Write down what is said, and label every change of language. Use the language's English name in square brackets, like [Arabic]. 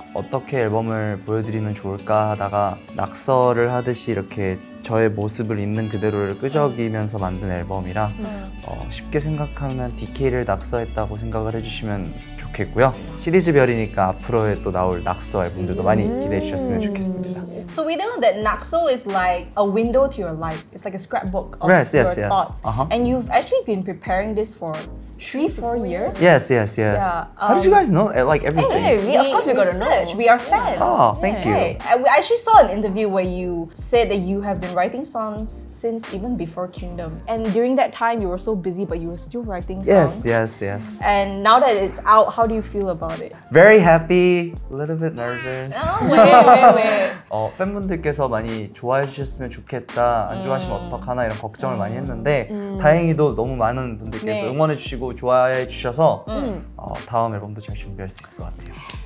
[Korean] 어떻게 앨범을 보여드리면 좋을까 하다가 낙서를 하듯이 이렇게 저의 모습을 있는 그대로를 끄적이면서 만든 앨범이라 쉽게 생각하면 DK를 낙서했다고 생각을 해주시면 좋겠고요. 시리즈별이니까 앞으로에 또 나올 낙서 앨범들도 많이 기대해 주셨으면 좋겠습니다. [English] So we know that 낙서 is like a window to your life. It's like a scrapbook of your thoughts. Uh-huh. And you've actually been preparing this for 3-4 years? Yes, yes, yes. Yeah, how did you guys know like everything? Hey, we, of course we got to know. We are fans. Oh, thank you. Hey, I actually saw an interview where you said that you have been writing songs since even before Kingdom. And during that time, you were so busy, but you were still writing songs. Yes, yes, yes. And now that it's out, how do you feel about it? Very happy, a little bit nervous. Oh, wait, wait, wait. [Korean] 팬분들께서 많이 좋아해 주셨으면 좋겠다, 안 좋아하시면 어떡하나 이런 걱정을 많이 했는데 다행히도 너무 많은 분들께서 응원해 주시고 좋아해 주셔서 다음 앨범도 잘 준비할 수 있을 것 같아요.